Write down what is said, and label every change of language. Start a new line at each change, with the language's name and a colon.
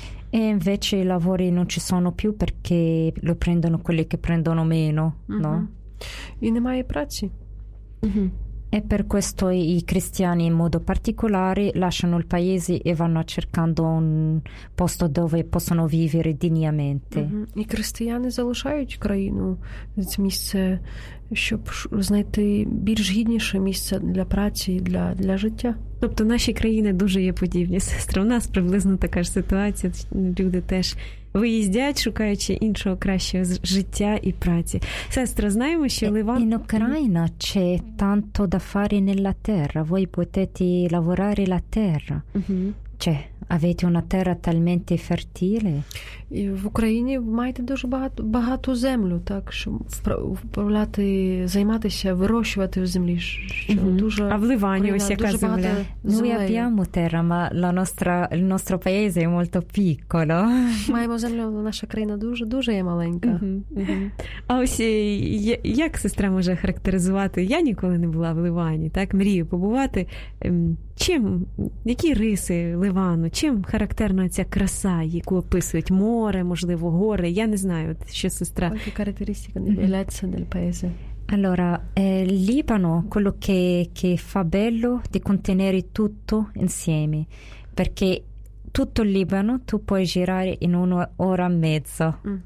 Italian: E invece i lavori non ci sono più perché lo prendono quelli che prendono meno, mm-hmm. no?
Ukrainian: І немає праці. Mm-hmm.
Italian: E per questo i cristiani in modo particolare lasciano il paese e vanno cercando un posto dove possono vivere dignamente. Mm-hmm. I cristiani
Ukrainian: залишають країну, це місце, щоб знайти більш гідніше місце для праці, для життя. Тобто наші країни дуже є подібні, сестра. У нас приблизно така ж ситуація, люди теж виїздять, шукаючи іншого кращого життя і праці. Сестра, знаємо, що Ліван...
Italian: In Ucraina c'è tanto da fare nella terra. Voi potete lavorare la terra. Cioè, avete una terra talmente fertile.
Ukrainian: І в Україні маєте дуже багато землю, так, щоб вправляти, займатися, вирощувати в землі. Дуже, а в Ливані ось яка земля? Ми
Italian: abbiamo terra, ma la nostra, il nostro paese è molto piccolo.
Ukrainian: Маємо землю, але наша країна дуже, дуже є маленька. А ось як сестра може характеризувати? Я ніколи не була в Ливані, так, мрію побувати. Чим, які риси Ливану, чим характерна ця краса, яку описують мова? Море, можливо, гори, я не знаю, що сестра.
Italian: Qualche caratteristica bellezza del paese. Allora, Libano, quello che fa bello di contenere tutto insieme, perché tutto il Libano tu puoi girare in un'ora e mezza.